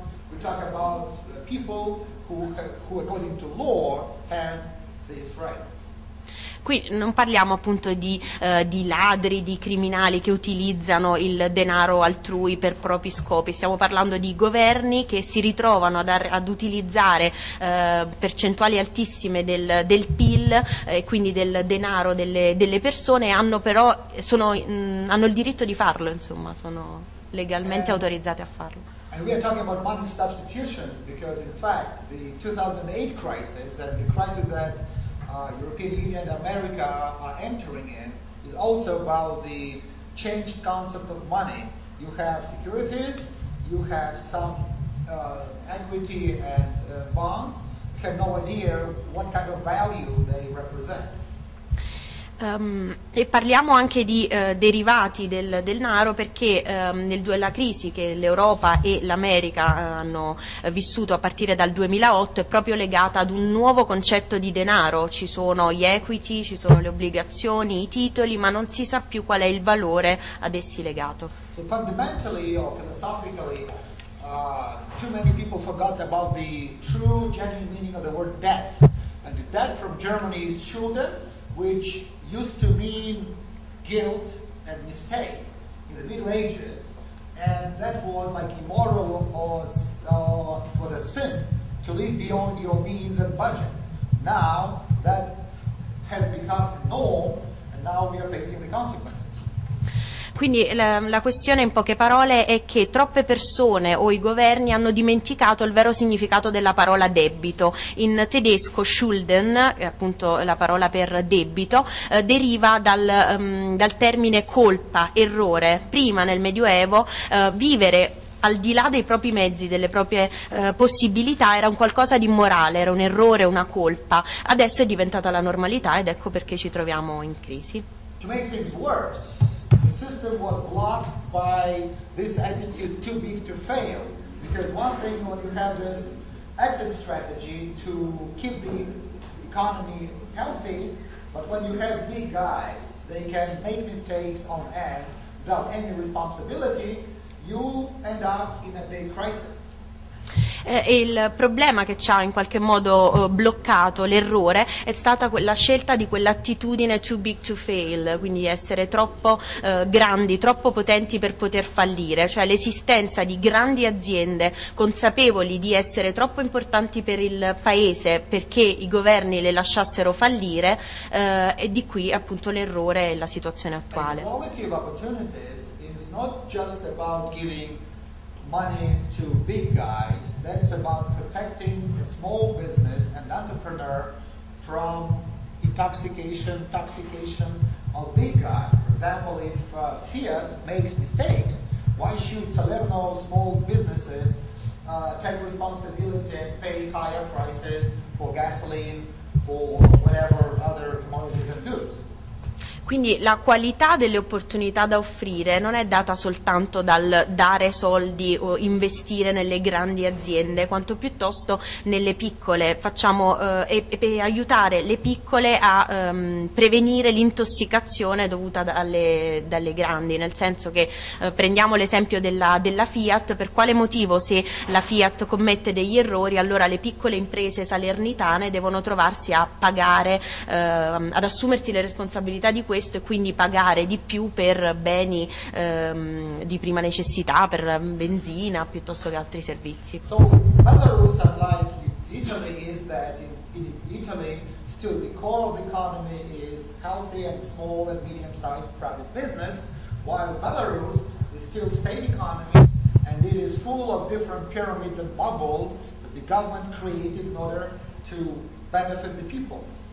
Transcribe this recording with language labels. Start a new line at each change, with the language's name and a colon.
English: We talk about people who according to law has this right.
Italian: Qui non parliamo appunto di ladri, di criminali che utilizzano il denaro altrui per propri scopi, stiamo parlando di governi che si ritrovano ad utilizzare percentuali altissime del PIL e quindi del denaro delle persone, hanno il diritto di farlo, insomma, sono legalmente autorizzate a farlo.
English: And we are talking about money substitutions because in fact the 2008 crisis and the crisis that European Union and America are entering in is also about the changed concept of money. You have securities, you have some equity and bonds, you have no idea what kind of value they represent.
Italian: E parliamo anche di derivati del denaro, perché nella crisi che l'Europa e l'America hanno vissuto a partire dal 2008 è proprio legata ad un nuovo concetto di denaro. Ci sono gli equity, ci sono le obbligazioni, i titoli, ma non si sa più qual è il valore ad essi legato.
English: So fundamentally or philosophically too many people forgot about the true genuine meaning of the word debt, and the debt from Germany is Schulden, which used to mean guilt and mistake in the Middle Ages, and that was like immoral or it was a sin to live beyond your means and budget. Now that has become a norm, and now we are facing the consequences.
Italian: Quindi la questione in poche parole è che troppe persone o i governi hanno dimenticato il vero significato della parola debito. In tedesco Schulden, è appunto la parola per debito, deriva dal termine colpa, errore. Prima nel Medioevo vivere al di là dei propri mezzi, delle proprie possibilità era un qualcosa di immorale, era un errore, una colpa. Adesso è diventata la normalità ed ecco perché ci troviamo in crisi.
English: To make things worse, the system was blocked by this attitude too big to fail, because one thing when you have this exit strategy to keep the economy healthy, but when you have big guys, they can make mistakes on end without any responsibility, you end up in a big crisis.
Italian: Il problema che ci ha in qualche modo bloccato, l'errore, è stata la scelta di quell'attitudine
English: too big to fail,
Italian: quindi essere troppo grandi, troppo potenti per poter fallire, cioè l'esistenza di grandi aziende consapevoli di essere troppo importanti per il paese perché i governi le lasciassero fallire, e di qui appunto l'errore e la situazione attuale.
English: The quality of opportunities is not just about giving money to big guys. That's about protecting a small business and entrepreneur from intoxication of big guys. For example, if Fiat makes mistakes, why should Salerno small businesses take responsibility and pay higher prices for gasoline, for whatever other commodities and goods?
Italian: Quindi la qualità delle opportunità da offrire non è data soltanto dal dare soldi o investire nelle grandi aziende, quanto piuttosto nelle piccole. Facciamo per aiutare le piccole a prevenire l'intossicazione dovuta dalle grandi, nel senso che prendiamo l'esempio della Fiat. Per quale motivo, se la Fiat commette degli errori, allora le piccole imprese salernitane devono trovarsi a pagare, ad assumersi le responsabilità di questo e quindi pagare di più per beni di prima necessità, per benzina piuttosto che altri servizi?
English: So, whether we would like Italy is that in Italy still the core of the economy is healthy and small and medium sized private business, while Belarus is still state economy and it is full of different pyramids and bubbles that the government created in order to benefit the people.